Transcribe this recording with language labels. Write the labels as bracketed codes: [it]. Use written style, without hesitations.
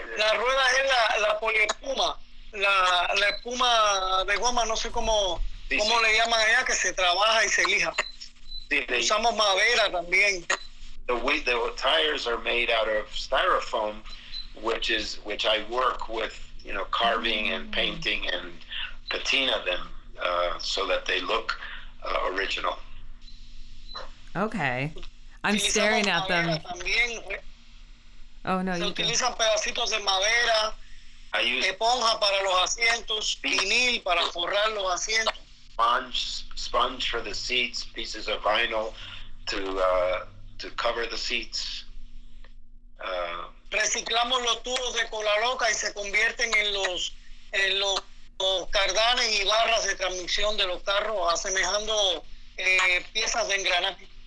[es] Las ruedas es la poliespuma, la espuma de goma, no sé cómo le llaman allá, que se trabaja y se lija. Usamos madera también. [en] The tires are made out of styrofoam, which I work with, you know, carving and painting and patina them so that they look original. Okay. I'm staring at them. [es] También. Oh no, se utilizan pedacitos de madera, esponja para los asientos, vinil para forrar los asientos. [en] Sponge for the seats, pieces of vinyl to cover the seats. [es] Reciclamos los tubos de cola loca y se convierten en los cardanes y barras de transmisión de los carros, asemejando piezas de engranaje.